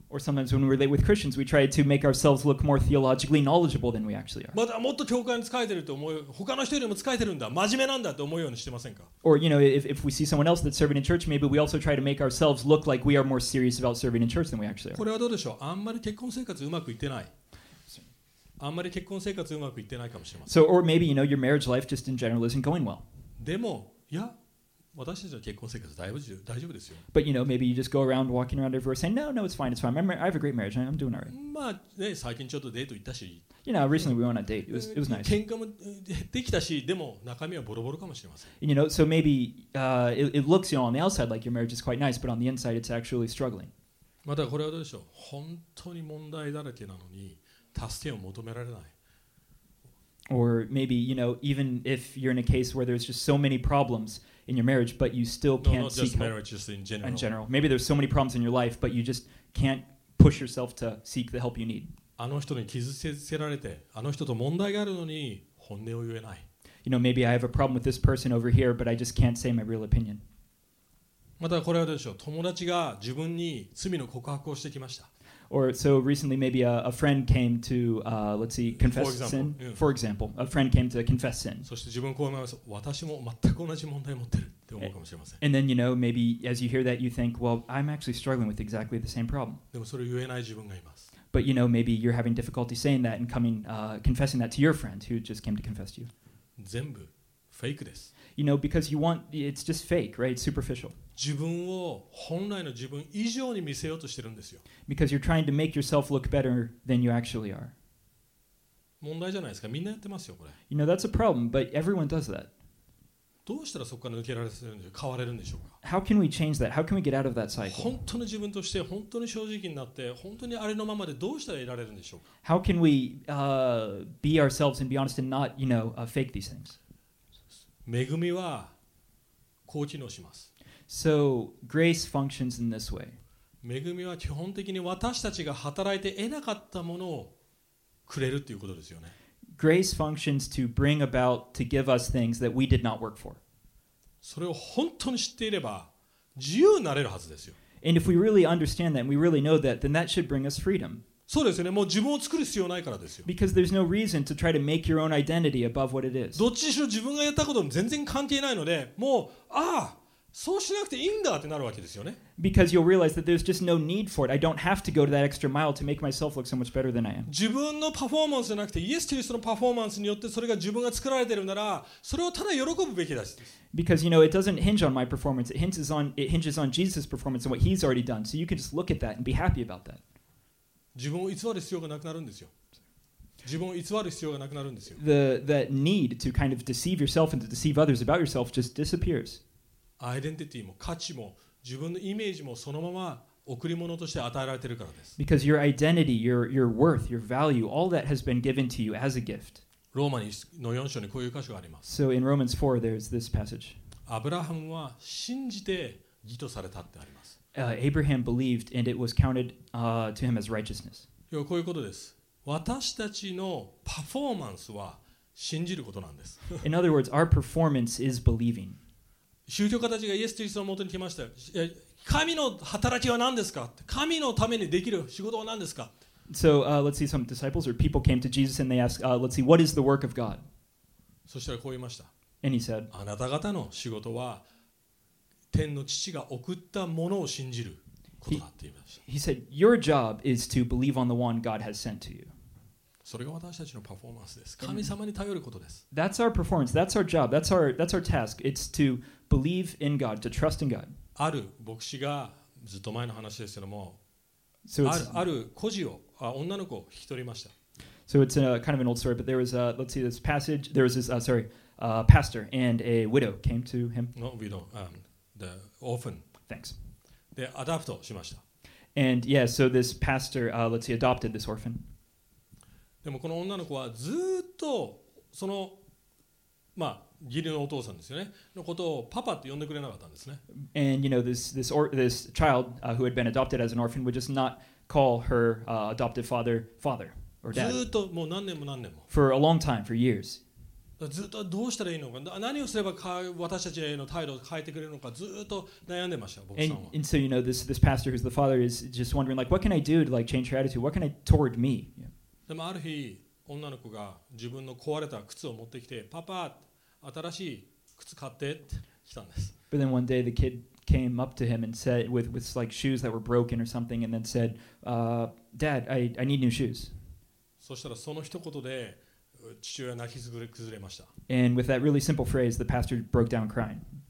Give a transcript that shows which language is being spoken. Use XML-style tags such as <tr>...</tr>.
<en>Or sometimes when we relate with Christians, we try to make ourselves look more theologically knowledgeable than we actually are.</en> <ja>またもっと教会に使えてると思う、他の人よりも使えてるんだ、真面目なんだと思うようにしてませんか?</ja> <en>Or, you know, if we see someone else that's serving in church, maybe we also try to make ourselves look like we are more serious about serving in church than we actually are.</en> <ja>これはどうでしょう? あんまり結婚生活うまくいってない。あんまり結婚生活うまくいってないかもしれません。</ja> <en>So, or maybe, you know, your marriage life just in general isn't going well.</en> <ja>でも、いや、私たちの結婚生活大丈夫ですよ。</ja> <en>But, you know, maybe you just go around walking around everywhere saying, no, it's fine. I have a great marriage. I'm doing all right.</en> <ja>まあ、ね、最近ちょっとデート行ったし。</ja> <en>You know, recently we went on a date. It was nice.</en> <ja>喧嘩もできたし、でも中身はボロボロかもしれません。</ja> <en>And, you know, so maybe it looks, you know, on the outside like your marriage is quite nice, but on the inside it's actually struggling.</en> <ja>またこれはどうでしょう。本当に問題だらけなのに、助けを求められない。</ja> <en>Or maybe, you know, even if you're in a case where there's just so many problems in your marriage, but you still can't seek help. No, not just marriage, just in general. In general. Maybe there's so many problems in your life, but you just can't push yourself to seek the help you need.</en> <ja>あの人に傷つけられて、あの人と問題があるのに本音を言えない。</ja> <en>You know, maybe I have a problem with this person over here, but I just can't say my real opinion.</en> <ja>またこれはどうでしょう。友達が自分に罪の告白をしてきました。</ja> <en>Or so recently, maybe a friend came to, confess sin. For example, a friend came to confess sin.</en> <ja>そして自分こう思います。私も全く同じ問題持ってるって思うかもしれません。</ja> <en>And then, you know, maybe as you hear that, you think, well, I'm actually struggling with exactly the same problem.</en> <ja>でもそれ言えない自分がいます。</ja> <en>But, you know, maybe you're having difficulty saying that and coming, confessing that to your friend who just came to confess to you.</en> <ja>全部フェイクです。</ja> <en>You know, because you want, it's just fake, right? It's superficial.</en> <ja>自分を本来の自分以上に見せようとしてるんですよ。</ja> <en>Because you're trying to make yourself look better than you actually are.</en> <ja>問題じゃないですか。みんなやってますよ、これ。</ja> <en>You know, that's a problem, but everyone does that.</en> <ja>どうしたらそこから抜けられるんでしょう、変われるんでしょうか。</ja> <en>How can we change that? How can we get out of that cycle?</en> <ja>本当の自分として本当に正直になって、本当にあれのままでどうしたらいられるんでしょうか。</ja> <en>How can we be ourselves and be honest and not, you know, fake these things?</en> <ja>恵みはこう機能します。</ja> <en>So, grace functions in this way.</en> <ja>恵みは基本的に私たちが働いて得なかったものをくれるということですよね。</ja> <en>Grace functions to bring about, to give us things that we did not work for.</en> <ja>それを本当に知っていれば自由になれるはずですよ。</ja> <en>And if we really understand that and we really know that, then that should bring us freedom.</en> <ja>そうですよね。もう自分を作る必要ないからですよ。</ja> <en>Because there's no reason to try to make your own identity above what it is.</en> <ja>どっちにしろ自分がやったことも全然関係ないので、もう、ああ、そうしなくていいんだってなるわけですよね。</ja> <en>Because you'll realize that there's just no need for it. I don't have to go to that extra mile to make myself look so much better than I am.</en> <ja>自分のパフォーマンスじゃなくて、イエス・キリストのパフォーマンスによってそれが自分が作られてるなら、それをただ喜ぶべきだし。</ja> <en>Because, you know, it doesn't hinge on my performance. It hinges on Jesus' performance and what he's already done. So you can just look at that and be happy about that.</en> <ja>自分を偽る必要がなくなるんですよ。自分を偽る必要がなくなるんですよ。</ja> <en>The need to kind of deceive yourself and to deceive others about yourself just disappears.</en> <ja>アイデンティティも価値も自分のイメージもそのまま贈り物として与えられているからです。</ja> <en>Because your identity, your worth, your value, all that has been given to you as a gift.</en> <ja>ローマの4章にこういう箇所があります。</ja> <en>So in Romans 4, there's this passage.</en> <ja>アブラハムは信じて義とされたってあります。</ja> <en>Abraham believed and it was counted to him as righteousness.</en> <ja>こういうことです。私たちのパフォーマンスは信じることなんです。</ja> <en>In other words, our performance is believing.</en> <ja>宗教家たちがイエス・キリストの元に来ました。神の働きは何ですか? 神のためにできる仕事は何ですか?</ja> <en>So, let's see, some disciples or people came to Jesus and they asked, what is the work of God?</en> <ja>そしたらこう言いました。</ja> <en>And he said,</en> <ja>あなた方の仕事は天の父が送ったものを信じることだって言いました。</ja> <en>He said, "Your job is to believe on the one God has sent to you."</en> <ja>それが私たちのパフォーマンスです。神様に頼ることです。</ja> <en>That's our performance. That's our job. That's our task. It's to believe in God, to trust in God.</en> <ja>ある牧師がずっと前の話ですけども、ある孤児を女の子を引き取りました。</ja> <en>So it's a kind of an old story, but there was a let's see this passage. There was this pastor and a widow came to him. No, we don't. The orphan. Thanks.</en> <ja>で、アダプトしました。</ja> <en>And yeah, so this pastor, adopted this orphan.</en> <ja>でもこの女の子はずっとその、まあ、義理のお父さんですよね、のことをパパって呼んでくれなかったんですね。</ja> <en>And you know, this child, who had been adopted as an orphan would just not call her, adopted father, or dad.</en> <ja>ずっともう何年も何年も。</ja> <en>For a long time, for years.</en> <ja>ずっとどうしたらいいのか、何をすれば私たちへの態度を変えてくれるのかずっと悩んでました、僕さんは。</ja> <en>And so, you know, this pastor who's the father is just wondering, like, what can I do to, like, change her attitude? What can I toward me?</en> <ja>でもある日、女の子が自分の壊れた靴を持ってきて、パパ、新しい靴買ってって来たんです。</ja> <en>But then one day the kid came up to him and said, with like shoes that were broken or something, and then said, Dad, I need new shoes.</en> <ja>そしたらその一言で、父親は泣き崩れました。</ja> <en>And with that really simple phrase, the pastor broke down crying.</en>